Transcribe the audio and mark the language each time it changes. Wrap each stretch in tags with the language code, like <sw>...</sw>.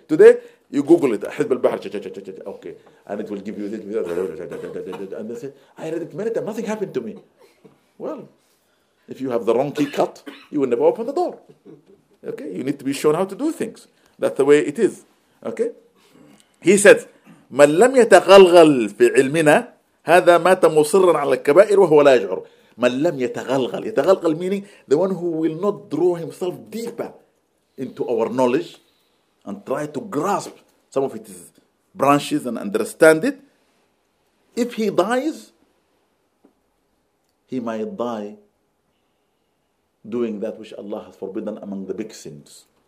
<en>Today, you Google it, Hizb al-Bahr, okay. And it will give you this. And they say, I read it many times, nothing happened to me. Well, if you have the wrong key cut, you will never open the door. Okay, you need to be shown how to do things. That's the way it is. Okay? He says,</en> <ar>من لم يتغلغل في علمنا هذا مات مصرا على الكبائر وهو لا يشعر. من لم يتغلغل.</ar> <en>يتغلغل meaning the one who will not draw himself deeper into our knowledge and try to grasp some of its branches and understand it. If he dies, he might die doing that which Allah has forbidden among the big sins.</en>